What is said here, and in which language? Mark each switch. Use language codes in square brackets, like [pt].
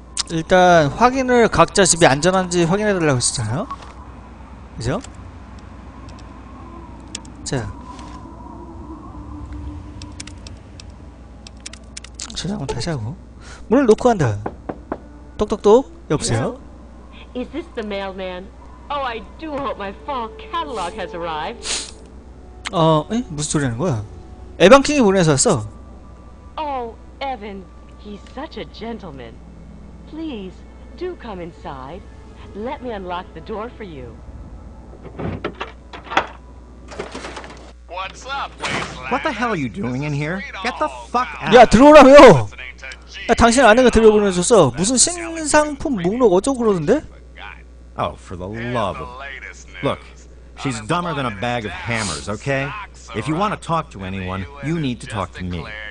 [ko] 일단 확인을 각자 집이 안전한지 확인해 달라고 했었잖아요. 그죠? 자. 저장을 다시 하고 문을 놓고 간다. 똑똑똑. 여보세요? [en] Is this the mailman? Oh, I do hope my fall catalog has arrived. [ko] 어, 에? 무슨 소리 하는 거야? 에반 킹이 보내서 왔어. [en] Oh, Evan. He's such a gentleman. Please do come inside. Let me unlock the door for you. What's up, please? What the hell are you doing in here? Get the fuck out. [ko] 야, 들어오라고요. 야, 당신 아내가 들려 보내줬어. 무슨 신상품 목록 어쩌고 그러던데? [en] Oh, for the love of. Look. She's dumber than a bag of hammers, okay? If you want to talk to anyone, you need to talk to me.